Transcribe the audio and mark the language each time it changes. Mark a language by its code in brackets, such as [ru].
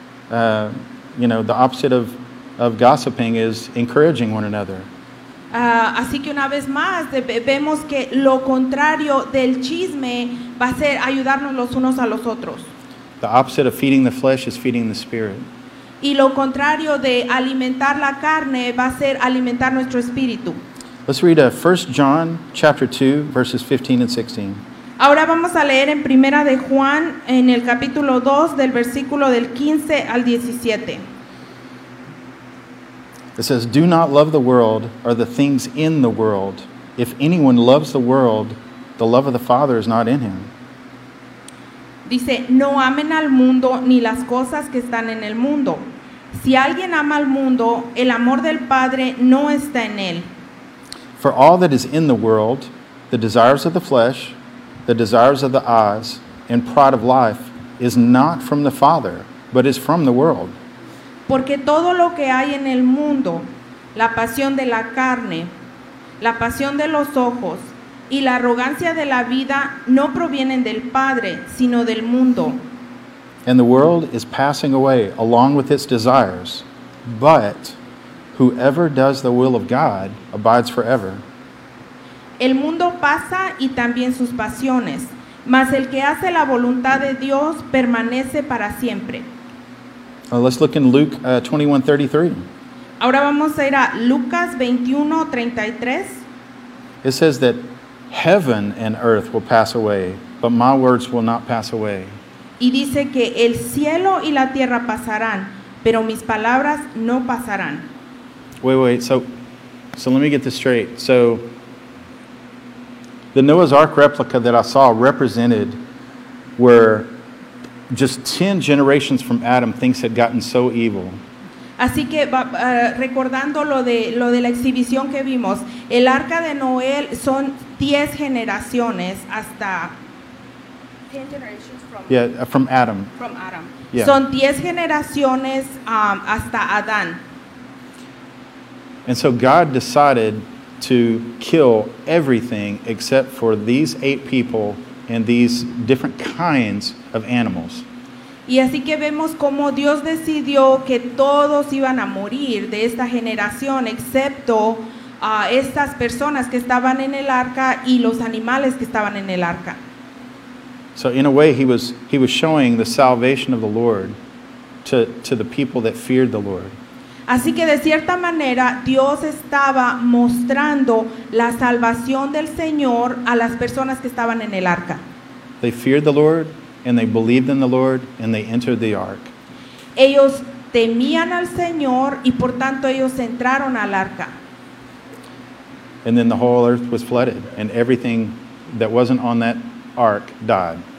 [en] The opposite of gossiping is encouraging one another. [es] Así que una vez más vemos que lo contrario del chisme va a ser ayudarnos los unos a los otros. [en] The opposite of feeding the flesh is feeding the spirit. [es] Y lo contrario de alimentar la carne va a ser alimentar nuestro espíritu. [en] Let's read 1 John chapter 2 verses 15 and 16. [es] Ahora vamos a leer en Primera de Juan en el capítulo 2 del versículo del 15 al 17. [en] It says, "Do not love the world or the things in the world. If anyone loves the world, the love of the Father is not in him." [es] Dice, "No amen al mundo ni las cosas que están en el mundo. Si alguien ama al mundo, el amor del Padre no está en él." [en] For all that is in the world, the desires of the flesh, the desires of the eyes, and pride of life is not from the Father, but is from the world. [es] Porque todo lo que hay en el mundo, la pasión de la carne, la pasión de los ojos y la arrogancia de la vida no provienen del Padre, sino del mundo. [en] And the world is passing away along with its desires, but whoever does the will of God abides forever. [es] El mundo pasa y también sus pasiones, mas el que hace la voluntad de Dios permanece para siempre. [en] Let's look in Luke 21:33. [es] Ahora vamos a ir a Lucas 21:33. [en] It says that heaven and earth will pass away, but my words will not pass away. [es] Y dice que el cielo y la tierra pasarán, pero mis palabras no pasarán. [en] Wait. So let me get this straight. So the Noah's Ark replica that I saw represented where just 10 generations from Adam, things had gotten so evil. [es] Así que recordando lo de la exhibición que vimos, el arca de Noé son 10 generaciones hasta [en] 10 generations from Adam. From Adam. Yeah. [es] Son 10 generaciones hasta Adán. [en] And so God decided to kill everything except for these 8 people and these different kinds of animals. [es] Y así que vemos cómo Dios decidió que todos iban a morir de esta generación, excepto estas personas que estaban en el arca y los animales que estaban en el arca. [en] So in a way he was showing the salvation of the Lord to the people that feared the Lord. [es] Así que de cierta manera Dios estaba mostrando la salvación del Señor a las personas que estaban en el arca. [en] They feared the Lord and they believed in the Lord and they entered the ark. [es] Ellos temían al Señor y por tanto ellos entraron al arca. [en] And then the whole earth was flooded and everything that wasn't on that ark died.